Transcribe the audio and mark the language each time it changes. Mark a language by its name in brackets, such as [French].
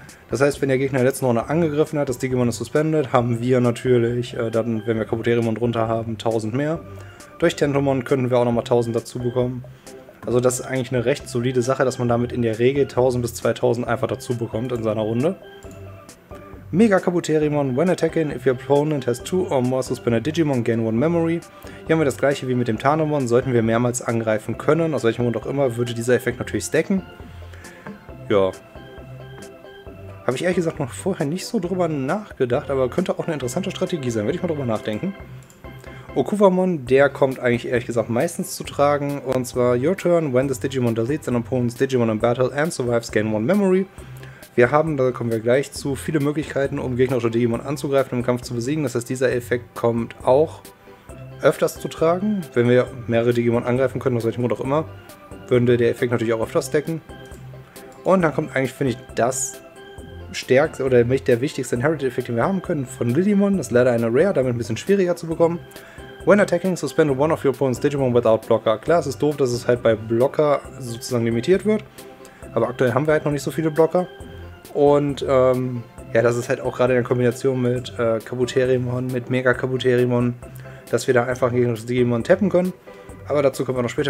[German] Das heißt, wenn der Gegner letzte Runde angegriffen hat, das Digimon ist suspended, haben wir natürlich, dann, wenn wir Kaputerimon drunter haben, 1000 mehr. Durch Tentomon könnten wir auch nochmal 1000 dazu bekommen. Also das ist eigentlich eine recht solide Sache, dass man damit in der Regel 1000 bis 2000 einfach dazu bekommt in seiner Runde. [English] Mega Kaputerimon, when attacking, if your opponent has two or more suspended Digimon, gain one memory. [German] Hier haben wir das gleiche wie mit dem Tarnomon, sollten wir mehrmals angreifen können, aus welchem Grund auch immer, würde dieser Effekt natürlich stacken. Ja. Habe ich ehrlich gesagt noch vorher nicht so drüber nachgedacht, aber könnte auch eine interessante Strategie sein, werde ich mal drüber nachdenken. Okuvamon, der kommt eigentlich ehrlich gesagt meistens zu tragen, und zwar [English] your turn, when this Digimon deletes an opponent's Digimon in battle and survives, gain one memory. [German] Wir haben, da kommen wir gleich zu, viele Möglichkeiten, um gegnerische Digimon anzugreifen und im Kampf zu besiegen. Das heißt, dieser Effekt kommt auch öfters zu tragen. Wenn wir mehrere Digimon angreifen können, aus welchem Grund auch immer, würde der Effekt natürlich auch öfters decken. Und dann kommt eigentlich, finde ich, das stärkste oder nicht der wichtigste Inherited-Effekt, den wir haben können, von Lilimon. Das ist leider eine Rare, damit ein bisschen schwieriger zu bekommen. [English] When attacking, suspend one of your opponent's Digimon without Blocker. [German] Klar, es ist doof, dass es halt bei Blocker sozusagen limitiert wird. Aber aktuell haben wir halt noch nicht so viele Blocker. Und ja, das ist halt auch gerade in der Kombination mit Kabuterimon, mit Mega Kabuterimon, dass wir da einfach gegen das Digimon tappen können. Aber dazu kommen wir noch später.